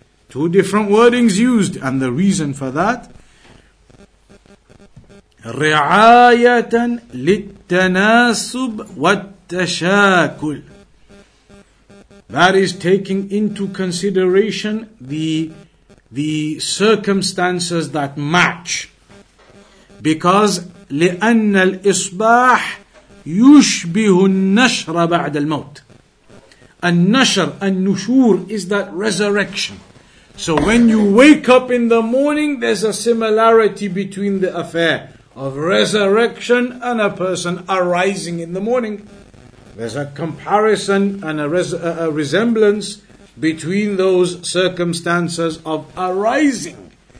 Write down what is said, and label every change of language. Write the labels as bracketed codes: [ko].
[en] Two different wordings used, and the reason for that, [ar] رعاية للتناسب والتشاكل. [en] That is taking into consideration the circumstances that match. Because [ar] لأن الإصباح يشبه النشر بعد الموت. النشر, النشور [en] is that resurrection. So when you wake up in the morning, there's a similarity between the affair of resurrection and a person arising in the morning. There's a comparison and a resemblance between those circumstances of arising.